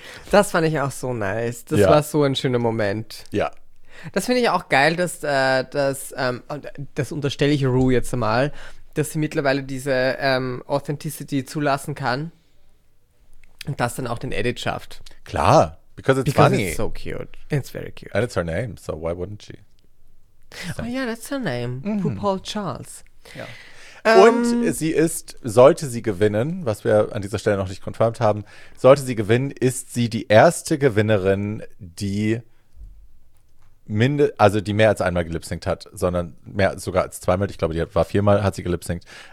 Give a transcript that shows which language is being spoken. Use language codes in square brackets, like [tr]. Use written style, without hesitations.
[de] Das fand ich auch so nice. Das war so ein schöner Moment. Ja. Das finde ich auch geil, dass, das unterstelle ich Ru jetzt einmal, dass sie mittlerweile diese Authenticity zulassen kann. Und das dann auch den Edit schafft. [en] Klar, because it's funny. It's so cute. It's very cute. And it's her name, so why wouldn't she? So. Oh yeah, that's her name. Mm-hmm. RuPaul Charles. [de] Ja. Und sie ist, sollte sie gewinnen, was wir an dieser Stelle noch nicht confirmed haben, sollte sie gewinnen, ist sie die erste Gewinnerin, die die mehr als einmal gelipsynkt hat, sondern mehr sogar als zweimal, ich glaube, die war viermal, hat sie gelipsynkt.